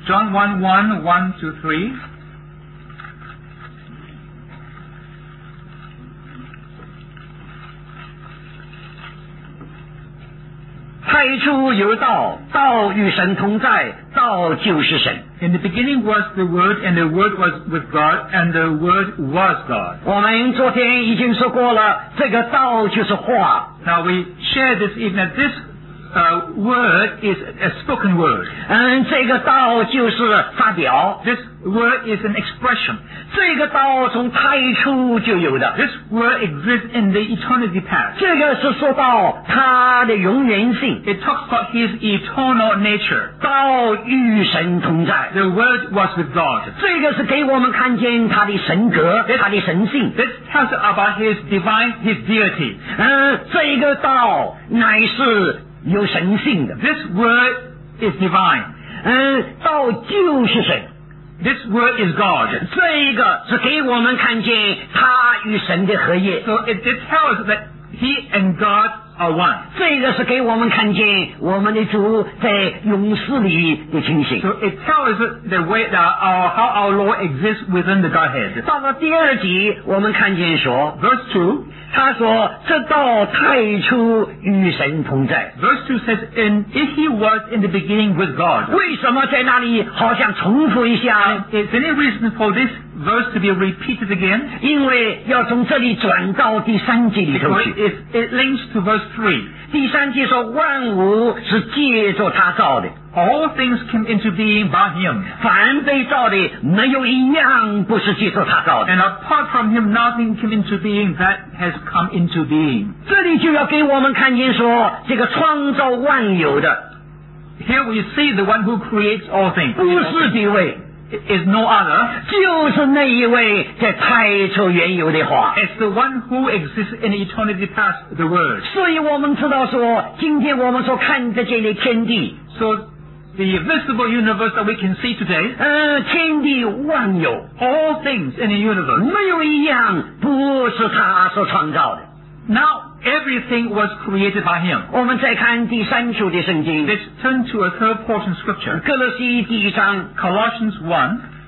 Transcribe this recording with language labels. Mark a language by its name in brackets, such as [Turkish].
[English] John 1:1-3. [Chinese] 他最初有道，道与神同在，道就是神。 [English] In the beginning was the Word, and the Word was with God, and the Word was God. [Chinese] 我们昨天已经说过了，这个道就是话。 [English] Now we share this evening that this word is a spoken word. [Chinese] 这个道就是发表。 [English] This word is an expression. [Chinese] 这个道从太初就有的。 [English] This word exists in the eternity past. [Chinese] 这个是说到他的永远性。 [English] It talks about his eternal nature. [Chinese] 道与神同在。 [English] The word was with God. [Chinese] 这个是给我们看见他的神格，他的神性。 [English] This tells about his divine, his deity. [Chinese] 这个道乃是有神性的。 [English] This word is divine. [Chinese] 道就是神。 [English] This word is God. [Chinese] 这一个是给我们看见他与神的合一。 [English] So it tells that he and God are one. [Chinese] 这个是给我们看见我们的主在永世里的情形。 [English] So it tells the way that how our Lord exists within the Godhead. [Chinese] 到了第二集我们看见说 [English] Verse 2 [Chinese] 他说这道太初与神同在。 [English] Verse 2 says, and he was in the beginning with God. [Chinese] 为什么在那里好像重复一下？ [English] Is any reason for this verse to be repeated again? [Chinese] 因为要从这里转到第三节里头去。 [English] It links to verse 3. [Chinese] 第三节说万物是借着他造的。 [English] All things came into being by him. [Chinese] 凡被造的没有一样不是借着他造的。 [English] And apart from him, nothing came into being that has come into being. [Chinese] 这里就要给我们看见说，这个创造万有的。 [English] Here we see the one who creates all things. [Chinese] 不是地位。 [English] Is no other. [Chinese] 就是那一位在太初原有的话。 [English] It's the one who exists in eternity past the word. [Chinese] 所以我们知道说，今天我们所看得见的天地。 [English] So,the visible universe that we can see today, [Chinese] 天地万有 [English] all things in the universe, [Chinese] 没有一样不是他所创造的。 [English] Now, everything was created by him. [Chinese] 我们再看第三处的圣经。 [English] Let's turn to a third portion of scripture. [Chinese] 哥罗西第一章 [English] Colossians 1.